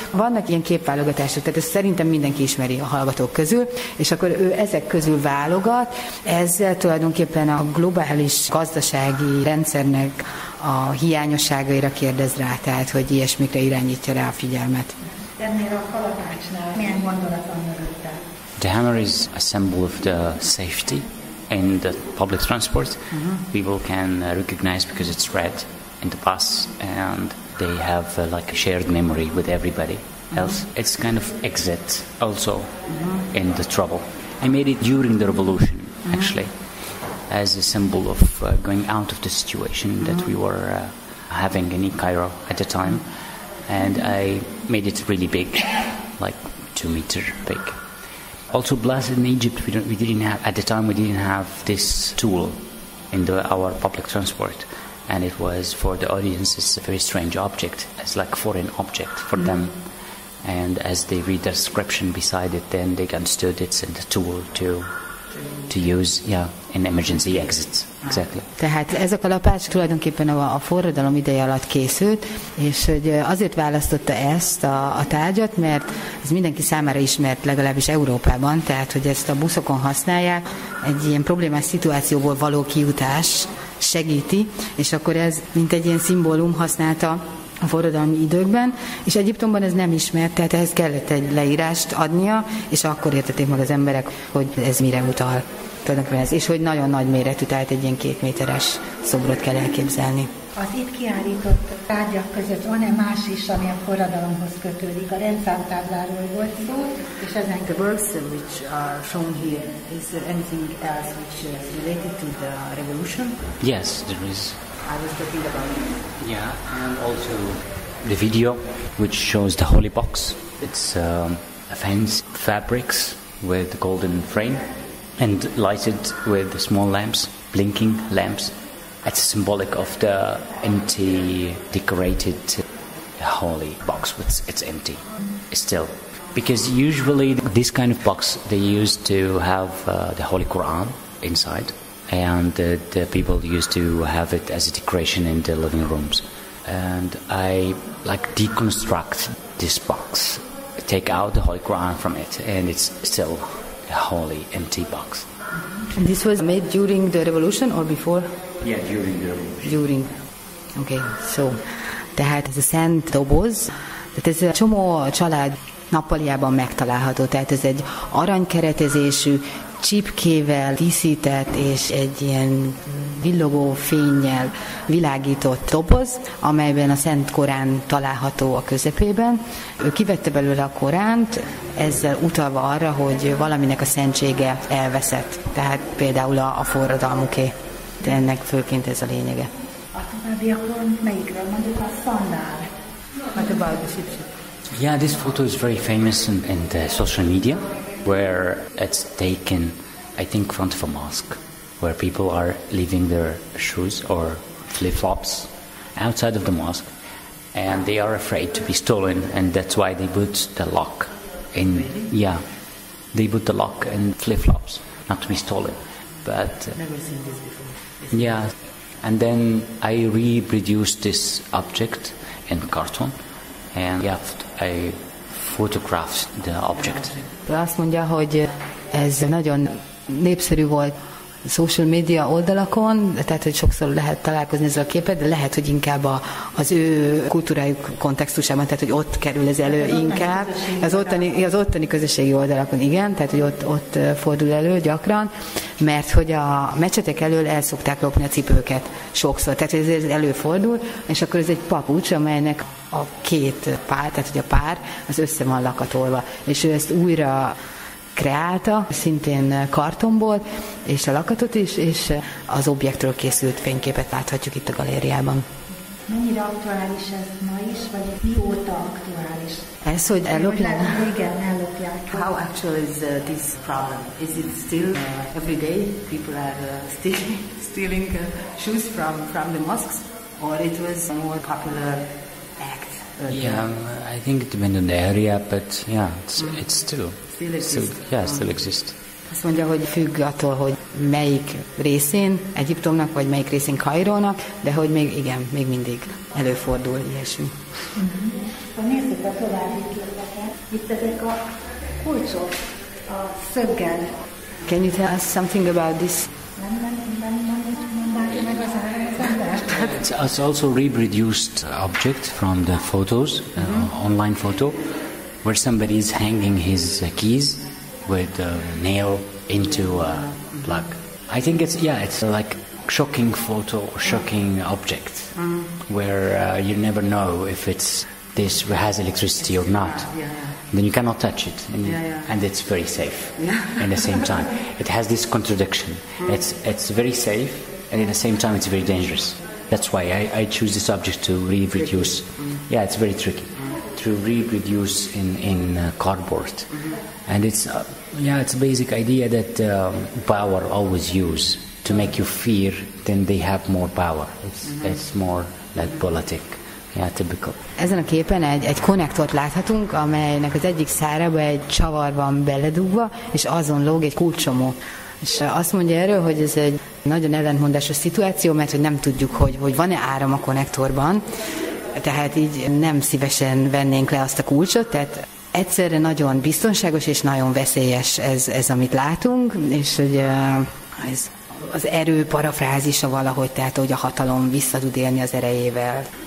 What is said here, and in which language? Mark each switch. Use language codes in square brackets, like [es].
[hu] Vannak ilyen képválogatások, tehát ezt szerintem mindenki ismeri a hallgatók közül, és akkor ő ezek közül válogat, ezzel tulajdonképpen a globális gazdasági rendszernek a hiányosságaira kérdez rá, tehát hogy ilyesmikre irányítja rá a figyelmet. Ennél a kalapácsnál milyen gondolat van mögötte? [en] The hammer is a symbol of the safety in the public transport. People can recognize because it's red in the bus and they have like a shared memory with everybody else. It's kind of exit also in the trouble. I made it during the revolution actually as a symbol of going out of the situation that we were having in Cairo at the time. And I made it really big, like 2 meters big. Also, blessed in Egypt, we didn't have this tool in our public transport, and it was for the audience a very strange object. It's like a foreign object for them. And as they read the description beside it, then they understood it's in the tool to use, yeah, in emergency exits. Exactly. [hu] Tehát ez a kalapács tulajdonképpen a forradalom ideje alatt készült, és hogy azért választotta ezt a tárgyat, mert ez mindenki számára ismert, legalábbis Európában, tehát hogy ezt a buszokon használják, egy ilyen problémás szituációból való kijutás segíti, és akkor ez mint egy ilyen szimbólum használta a forradalmi időkben, és Egyiptomban ez nem ismert, tehát ehhez kellett egy leírást adnia, és akkor értették meg az emberek, hogy ez mire utal. És hogy nagyon nagy méretű, tehát egy ilyen kétméteres szobrot kell elképzelni. Az itt kiállított tárgyak között van-e más is, ami a forradalomhoz kötődik? A rendszámtábláról volt szó, és ezen... [en] The works which are shown here, is there anything else which is related to the revolution? Yes, there is. I was talking about it. Yeah, and also the video which shows the holy box. It's a fence, fabrics with golden frame. And lighted with small lamps, blinking lamps. It's symbolic of the empty, decorated holy box, which it's empty still. Because usually this kind of box, they used to have the Holy Quran inside, and the people used to have it as a decoration in the living rooms. And I like deconstruct this box, take out the Holy Quran from it, and it's still holy empty box. And this was made during the revolution or before? Yeah, during the revolution. During. Okay, so they had a [hu] szent doboz. [en] That is a [hu] csomó család nappaliában megtalálható. Tehát ez egy aranykeretezésű csipkével díszített és egy ilyen villogó fénnyel világított doboz, amelyben a Szent Korán található a közepében. Ő kivette belőle a Koránt, ezzel utalva arra, hogy valaminek a szentsége elveszett. Tehát például a forradalmuké. De ennek főként ez a lényege. A továbbiakon melyikről mondjuk a szandál? Hát a bajdusítsük. [en] Yeah, this photo is very famous in the social media, where it's taken, I think, in front of a mosque, where people are leaving their shoes or flip-flops outside of the mosque, and they are afraid to be stolen, and that's why they put the lock in. Yeah, they put the lock in flip-flops, not to be stolen. But never seen this before. Yeah, and then I reproduced this object in cartoon, and yeah, I photographed the object. [hu] Azt mondja, hogy ez nagyon népszerű volt social media oldalakon, tehát hogy sokszor lehet találkozni ezzel a képet, de lehet, hogy inkább az ő kultúrájuk kontextusában, tehát hogy ott kerül ez elő inkább. Az ottani közösségi oldalakon, igen, tehát hogy ott fordul elő gyakran, mert hogy a mecsetek elől el szokták lopni a cipőket sokszor, tehát hogy ez előfordul, és akkor ez egy papucs, amelynek a két pár, tehát hogy a pár, az össze van lakatolva, és ő ezt újra kreálta, szintén kartonból, és a lakatot is, és az objektről készült fényképet láthatjuk itt a galériában. Mennyire aktuális ez ma is, vagy mióta aktuális? Ez, hogy ellopják? Igen, ellopják. [en] How actual is this problem? Is it still every day people are stealing shoes from the mosques? Or it was a more popular act? Yeah, I think it depends on the area, but yeah, it's still... Still exist. [hu] Azt mondja, hogy függ attól, hogy melyik részén Egyiptomnak, vagy melyik részén Kairónak, de hogy még igen, még mindig előfordul ilyesmi. Ha nézzük a további képeket, itt ezek a kulcsok, a szöggel. [en] Can you tell us something about this? It's also reproduced object from the photos, online photo, where somebody is hanging his keys with a nail into a plug. I think it's like shocking photo, shocking object, where you never know if it's this has electricity or not. Yeah. Then you cannot touch it, and it's very safe. Yeah. In the same time, it has this contradiction. Mm. It's very safe, and in the same time, it's very dangerous. That's why I choose this object to reproduce. Mm. Yeah, it's very tricky. to reproduce in cardboard. And it's yeah, it's a basic idea that power always use to make you fear, then they have more power. It's more like politic. Yeah, typical. [hu] Ezen a képen egy konnektort láthatunk, amelynek az egyik szárába egy csavar van beledugva, és azon lóg egy kulcsomó. És azt mondja erről, hogy ez egy nagyon ellentmondásos szituáció, mert hogy nem tudjuk, hogy van-e áram a konnektorban, tehát így nem szívesen vennénk le azt a kulcsot, tehát egyszerre nagyon biztonságos és nagyon veszélyes ez, amit látunk, és hogy ez az erő parafrázisa valahogy, tehát hogy a hatalom vissza tud élni az erejével.